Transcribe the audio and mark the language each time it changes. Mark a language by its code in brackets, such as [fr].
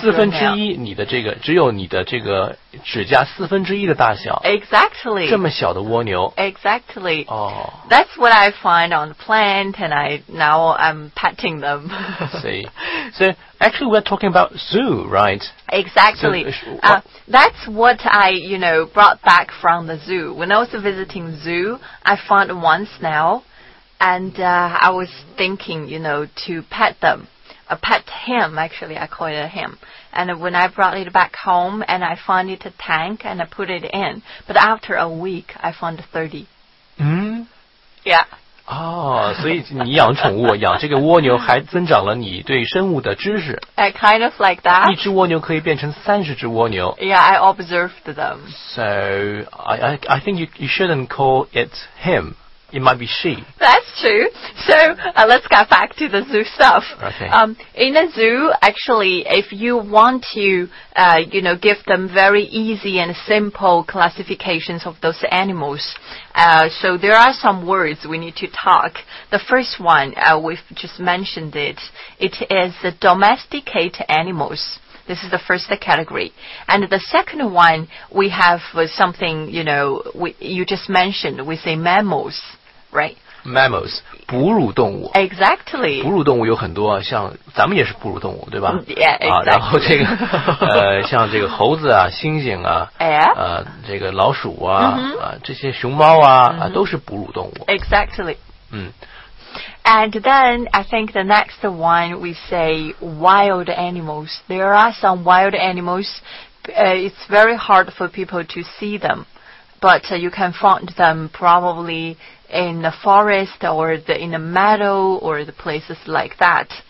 [zh] 四分之一你的这个只有你的这个指甲四分之一的大小 [en] Exactly. [zh] 这么小的蜗牛 [en] Exactly. Oh. That's what I find on the plant and now I'm petting them. See. So actually we're talking about zoo, right? Exactly. That's what I, you know, brought back from the zoo. When I was visiting zoo, I found one snail. And I was thinking, you know, to pet them. Pet him, actually, I call it a him. And when I brought it back home, and I found it a tank, and I put it in. But after a week, I found 30. Mm? Yeah. Oh, so you [zh] 养宠物，养这个蜗牛还增长了你对生物的知识。 [en] Kind of like that. [zh] 一只蜗牛可以变成30只蜗牛。 [en] Yeah, I observed them. So I think you shouldn't call it him. It might be she. That's true. So, let's get back to the zoo stuff. Okay. In a zoo, actually, if you want to, you know, give them very easy and simple classifications of those animals, so there are some words we need to talk. The first one, we've just mentioned it. It is the domesticated animals. This is the first category. And the second one, we have something, you know, you just mentioned, we say mammals. Right. Mammals, [zh] 哺乳动物 [en] Exactly. [zh] 哺乳动物有很多，像咱们也是哺乳动物，对吧？ [en] Yeah, exactly. [zh] 然后这个，像这个猴子啊，猩猩啊，这个老鼠啊，这些熊猫啊，都是哺乳动物。 [en] Exactly. 嗯。 And then I think the next one we say wild animals. There are some wild animals. It's very hard for people to see them, but you can find them probably. In the forest or in the meadow or the places like that.